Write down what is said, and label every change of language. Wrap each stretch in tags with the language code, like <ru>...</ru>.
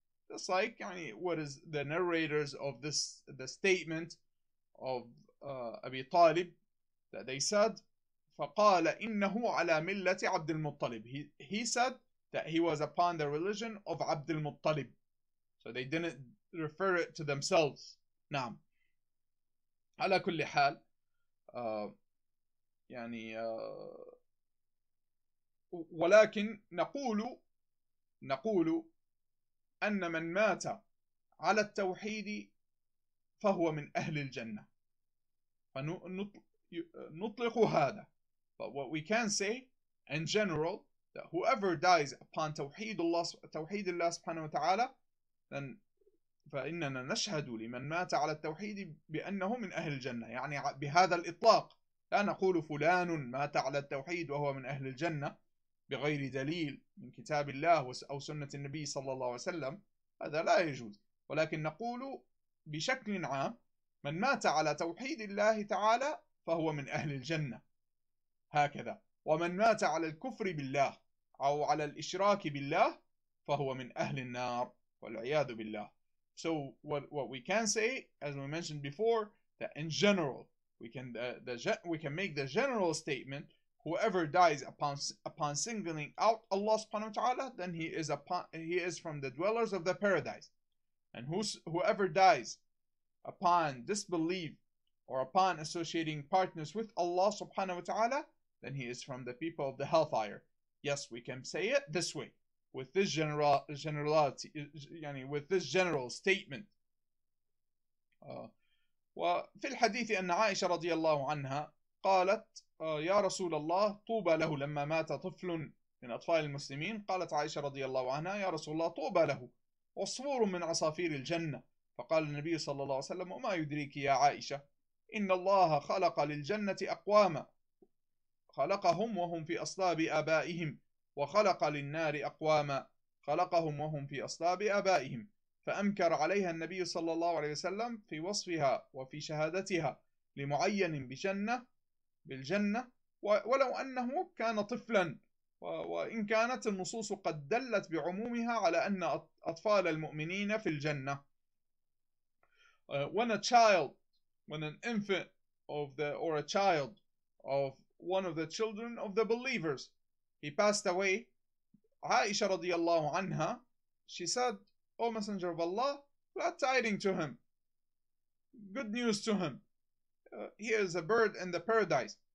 <en>Just like, what is the narrators of this, the statement of Abi Talib, that they said,</en> <ar>فَقَالَ إِنَّهُ عَلَى مِلَّةِ عَبْدِ الْمُطَّلِبِ.</ar> <en>He said that he was upon the religion of Abd al-Muttalib. So they didn't refer it to themselves. نعم.</en> <ar>على كل حال يعني ولكن نقول أن من مات على التوحيد فهو من أهل الجنة. فنطلق هذا.</ar> <en>But what we can say in general that whoever dies upon</en> <ar>توحيد الله سبحانه وتعالى then فإننا نشهد لمن مات على التوحيد بأنه من أهل الجنة. يعني بهذا الإطلاق لا نقول فلان مات على التوحيد وهو من أهل الجنة بغير دليل من كتاب الله أو سنة النبي صلى الله عليه وسلم، هذا لا يجوز. ولكن نقول بشكل عام من مات على توحيد الله تعالى فهو من أهل الجنة هكذا، ومن مات على الكفر بالله أو على الإشراك بالله فهو من أهل النار والعياذ بالله.</ar> <en>So what we can say, as we mentioned before, that in general we can make the general statement: whoever dies upon singling out Allah subhanahu wa ta'ala, then he is from the dwellers of the paradise. And whoever dies upon disbelief or upon associating partners with Allah subhanahu wa ta'ala, then he is from the people of the hellfire. Yes, we can say it this way, with this generality, يعني with this general statement.</en> <ar>وفي الحديث أن عائشة رضي الله عنها قالت يا رسول الله طوبى له لما مات طفل من أطفال المسلمين. قالت عائشة رضي الله عنها يا رسول الله طوبى له عصفور من عصافير الجنة. فقال النبي صلى الله عليه وسلم وما يدريك يا عائشة إن الله خلق للجنة أقواما خلقهم وهم في أصلاب آبائهم وخلق للنار أقواما خلقهم وهم في أصلاب آبائهم. فأمكر عليها النبي صلى الله عليه وسلم في وصفها وفي شهادتها لمعين بجنة بالجنة ولو أنه كان طفلا. وإن كانت النصوص قد دلت بعمومها على أن أطفال المؤمنين في الجنة.</ar> <en>When a child, when an infant of the, or a child of one of the children of the believers, he passed away, Aisha radiallahu anha, she said, O Messenger of Allah, glad tidings to him, good news to him, he is a bird in the paradise.</en>